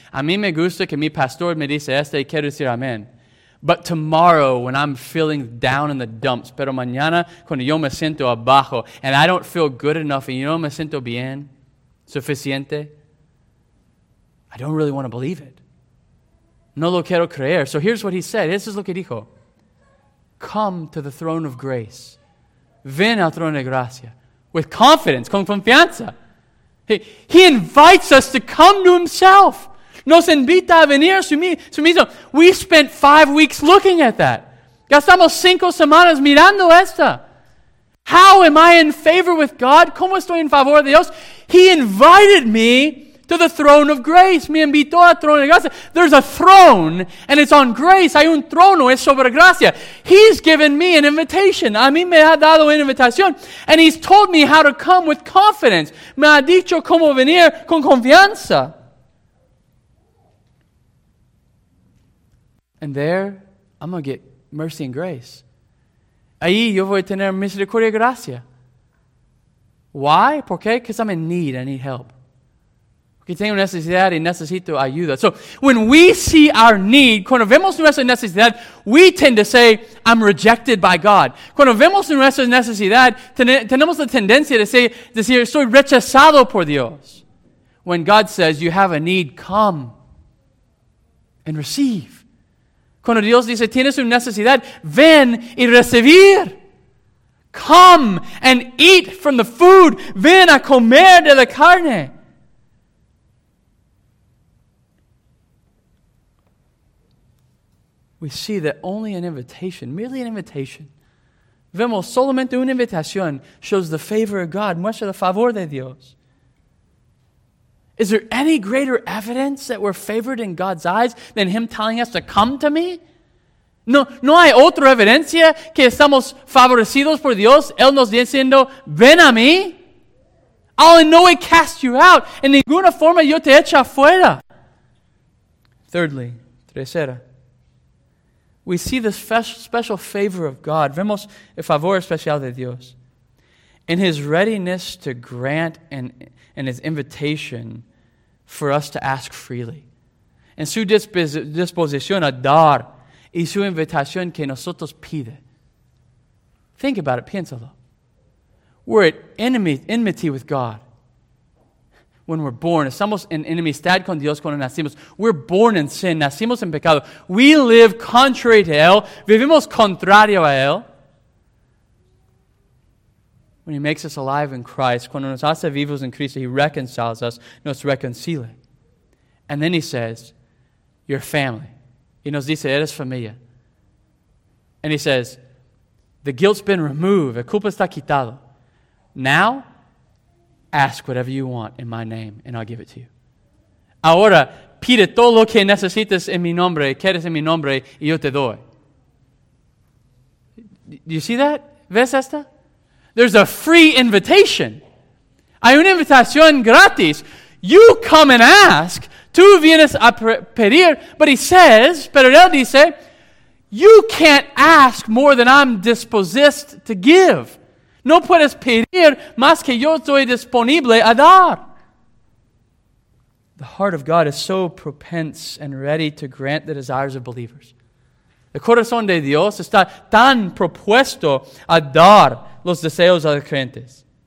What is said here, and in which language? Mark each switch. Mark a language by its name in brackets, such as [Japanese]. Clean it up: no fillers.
[Spanish] A mí me gusta que mi pastor me dice este y quiero decir amen. [English] But tomorrow, when I'm feeling down in the dumps, [Spanish] pero mañana, cuando yo me siento abajo, [English] and I don't feel good enough, and you know, [Spanish] me siento bien, suficiente, [English] I don't really want to believe it. [Spanish] No lo quiero creer. [English] So here's what he said. This is [Spanish] lo que dijo. [English] Come to the throne of grace. [Spanish] Ven al trono de gracia. [English] With confidence, [Spanish] con confianza. [English] He invites us to come to himself. [Spanish] Nos invita a venir su mismo. [English] We spent 5 weeks looking at that. [Spanish] Gastamos 5 semanas mirando esta. [English] How am I in favor with God? [Spanish] ¿Cómo estoy en favor de Dios? [English] He invited me to the throne of grace. [Spanish] Me invitó al trono de gracia. [English] There's a throne, and it's on grace. [Spanish] Hay un trono, es sobre gracia. [English] He's given me an invitation. [Spanish] A mí me ha dado una invitación. [English] And he's told me how to come with confidence. [Spanish] Me ha dicho cómo venir con confianza. [English] And there, I'm going to get mercy and grace. [Spanish] Ahí yo voy a tener misericordia y gracia. [English] Why? [Spanish] ¿Por qué? [English] Because I'm in need. I need help. [Spanish] Que tengo necesidad y necesito ayuda. [English] So, when we see our need, [Spanish] cuando vemos nuestra necesidad, [English] we tend to say, I'm rejected by God. [Spanish] Cuando vemos nuestra necesidad, tenemos la tendencia de decir, soy rechazado por Dios. [English] When God says, you have a need, come and receive. [Spanish] Cuando Dios dice, tienes una necesidad, ven y recibir. [English] Come and eat from the food. [Spanish] Ven a comer de la carne. [English] We see that only an invitation, merely an invitation, [Spanish] vemos solamente una invitación, [English] shows the favor of God, [Spanish] muestra el favor de Dios. [English] Is there any greater evidence that we're favored in God's eyes than Him telling us to come to me? [Spanish] No, no hay otra evidencia que estamos favorecidos por Dios, Él nos diciendo, ven a mí. [English] I'll in no way cast you out. [Spanish] En ninguna forma yo te echo afuera. [English] Thirdly, tercera. We see the special favor of God. [Spanish] Vemos el favor especial de Dios. [English] In His readiness to grant and His invitation for us to ask freely. [Spanish] En su disposición a dar y su invitación que nosotros pide. [English] Think about it. [Spanish] Piénsalo. [English] We're at enmity with God. When we're born, [Spanish] estamos en enemistad con Dios cuando nacimos. [English] We're born in sin, [Spanish] nacimos en pecado. [English] We live contrary to Él, [Spanish] vivimos contrario a Él. [English] When He makes us alive in Christ, [Spanish] cuando nos hace vivos en Cristo, [English] He reconciles us, [Spanish] nos reconcilia. [English] And then He says, you're family. [Spanish] Y nos dice, eres familia. [English] And He says, the guilt's been removed, [Spanish] el culpa está quitado. [English] Now, ask whatever you want in my name, and I'll give it to you. [Spanish] Ahora, pide todo lo que necesites en mi nombre, quieres en mi nombre, y yo te doy. [English] Do you see that? [Spanish] ¿Ves esta? [English] There's a free invitation. [Spanish] Hay una invitación gratis. [English] You come and ask. [Spanish] Tú vienes a pedir. [English] But he says, [Spanish] pero él dice, [English] you can't ask more than I'm disposed to give. [Spanish] No puedes pedir más que yo estoy disponible a dar. [English] The heart of God is so propense and ready to grant the desires of believers. [Spanish] El corazón de Dios está tan propuesto a dar los deseos a los creyentes.